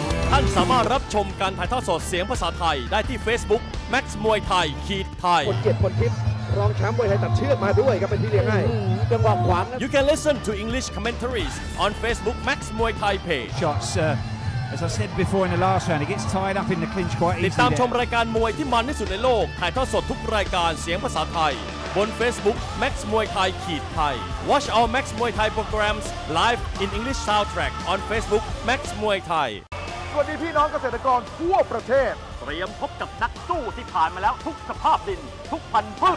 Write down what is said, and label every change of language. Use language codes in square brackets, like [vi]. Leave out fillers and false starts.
[th] ท่านสามารถรับชมการถ่ายทอดสดเสียงภาษาไทยได้ที่ Facebook Max Muay Thai Kid Thai. รองแชมป์มวยไทยตัดเชือกมาด้วยครับเป็นที่เรียกง่ายจังหวะขวาง [en] You can listen to English commentaries on Facebook Max Muay Thai page Shots as I said before in the last round he gets tied up in the clinch quite easily [th] ติดตามชมรายการมวยที่มันที่สุดในโลกถ่ายทอดสดทุกรายการเสียงภาษาไทยบน Facebook Max Muay Thai Kid Thai [en] Watch all Max Muay Thai [th] programs live in English soundtrack on Facebook Max Muay Thai สวัสดีพี่น้องเกษตรกรทั่วประเทศ เตรียมพบกับนักสู้ที่ผ่านมาแล้วทุกสภาพดินทุกพันธุ์พืช